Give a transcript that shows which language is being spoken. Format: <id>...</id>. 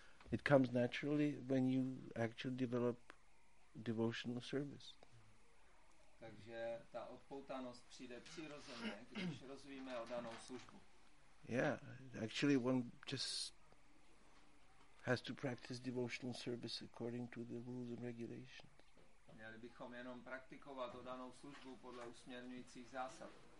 <en>It comes naturally when you actually develop devotional service.</en> <cs>Takže ta odpoutanost přijde přirozeně, když rozvíjíme oddanou službu.</cs> <en>Yeah, actually one just has to practice devotional service according to the rules and regulations.</en> <cs>Měli bychom jenom praktikovat oddanou službu podle usměrňujících zásad.</cs>